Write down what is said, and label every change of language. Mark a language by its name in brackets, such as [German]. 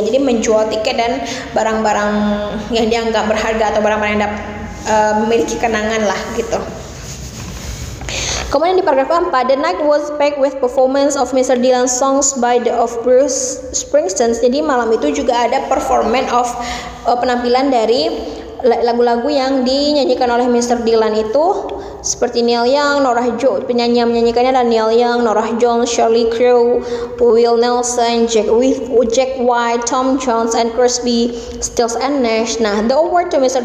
[Indonesian] Jadi menjual tiket dan barang-barang yang dianggap berharga atau barang-barang yang memiliki kenangan lah gitu. Kemudian di paragraf 4, [English] the night was packed with performance of Mr. Dylan's songs by the of Bruce Springsteen. [Indonesian] Jadi malam itu juga ada performance of penampilan dari lagu-lagu yang dinyanyikan oleh Mr. Dylan itu, seperti Neil Young, Norah Jones, penyanyi yang menyanyikannya adalah Neil Young, Norah Jones, Sheryl Crow, Will Nelson, Jack White, Tom Jones, and Crosby, Stills and Nash. Nah, [English] the award to Mr.